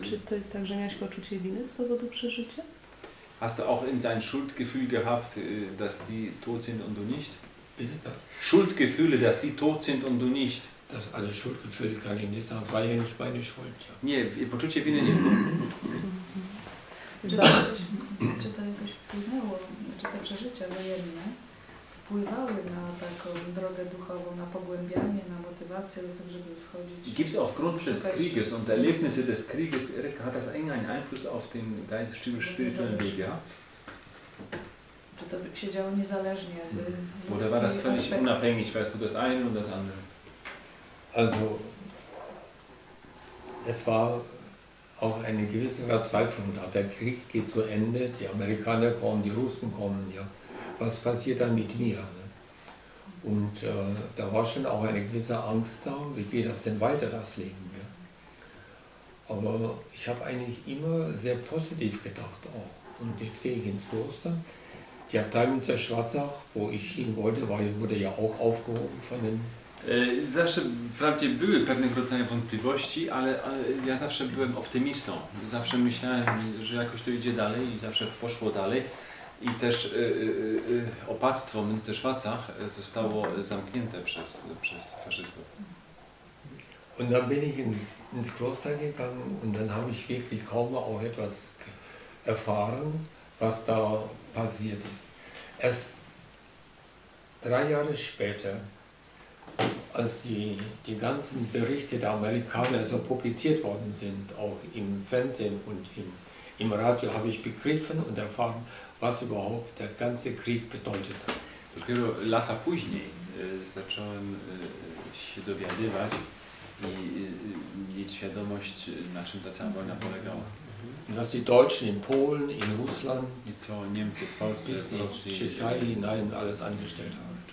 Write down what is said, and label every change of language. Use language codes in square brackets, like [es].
[pl] Czy to jest tak, że miałeś poczucie winy z powodu przeżycia? [de] Hast du auch in dein Schuldgefühl gehabt, dass die tot sind und du nicht? Bitte da. Schuldgefühle, dass die tot sind und du nicht. Das alles Schuldgefühle kann ich nicht sagen, war ja nicht meine Schuld. Ja. [pl] Nie, poczucie winy nie. Czy to przeżycia wojenne wpływały na taką drogę duchową, na pogłębianie, na motywację do tego, żeby wchodzić. [de] Gibt es aufgrund des Krieges und Erlebnisse des Krieges, Erik, hat das einen Einfluss auf den deinen spirituellen Weg, ja? [pl] Czy to się działo niezależnie? [de] Oder war das völlig unabhängig, weißt du, das eine und das andere? Also, es war auch eine gewisse Verzweiflung da. Der Krieg geht zu Ende, die Amerikaner kommen, die Russen kommen, ja. Was passiert dann mit mir? Ne? Und da war schon auch eine gewisse Angst da, wie geht das denn weiter, das Leben? Ja? Aber ich habe eigentlich immer sehr positiv gedacht auch. Und jetzt gehe ich ins Kloster. Die Abteilung zur Schwarzach, wo ich hin wollte, war, wurde ja auch aufgehoben von den... [pl] Zawsze, wprawdzie były pewnego rodzaju wątpliwości, ale, ale ja zawsze byłem optymistą. Zawsze myślałem, że jakoś to idzie dalej i zawsze poszło dalej. I też opactwo Münsterschwarzach zostało zamknięte przez, przez faszystów. [de] Und dann bin ich ins, ins Kloster gegangen und dann habe ich wirklich kaum auch etwas erfahren, was da passiert ist. Erst drei Jahre später, als die, die ganzen Berichte der Amerikaner so publiziert worden sind, auch im Fernsehen und im, im Radio, habe ich begriffen und erfahren, was überhaupt der ganze Krieg bedeutet hat. [pl] Dopiero lata później zacząłem się dowiadywać i mieć świadomość, na czym ta cała wojna polegała. [de] Dass die Deutschen in Polen, in Russland, [pl] i co Niemcy w Polsce, [de] bis in Tschechei hinein alles angestellt haben.